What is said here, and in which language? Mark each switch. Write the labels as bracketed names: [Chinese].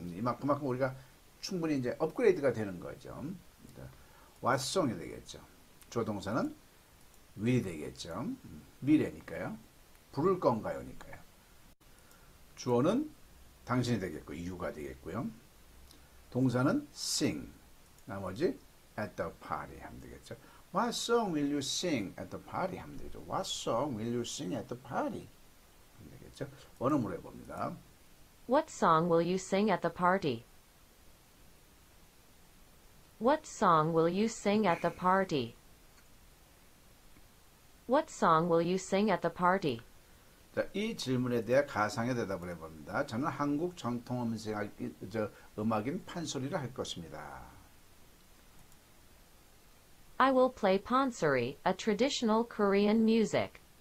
[Korean] 이만큼 우리가 충분히 이제 업그레이드가 되는 거죠. [English] What song [Korean] 이 되겠죠. 조동사는 will이 되겠죠. 미래니까요. 부를 건가요니까요. 주어는 당신이 되겠고, 이유가 되겠고요. 동사는 sing. 나머지 [English] at the party [Korean] 하면 되겠죠. [English] What song will you sing at the party [Korean] 하면 되죠. [English] What song will you sing at the party [Korean] 하면 되겠죠. 원어 물어봅니다. [English] What song will you sing at the party? What song will you sing at the party? What song will you sing at the party? [Korean] 자, 이 질문에 대해 가상의 대답을 해봅니다. 저는 한국 전통 음악인 판소리를 할 것입니다. [English] I will play pansori, a traditional Korean music.